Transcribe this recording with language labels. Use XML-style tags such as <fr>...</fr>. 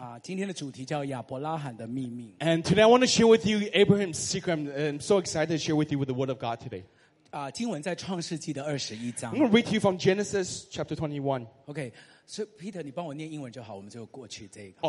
<zh>今天很高兴跟你们一起分享神的话语，我想今天的主题叫亚伯拉罕的秘密。</zh> <en>And today I want to share with you Abraham's secret. I'm so excited to share with you with the word of God today.</en> <zh>经文在创世纪的21章。</zh> <en>I'm going to read to you from Genesis chapter 21.</en> <zh>Okay, so Peter, 你帮我念英文就好，我们就过去这个。</zh>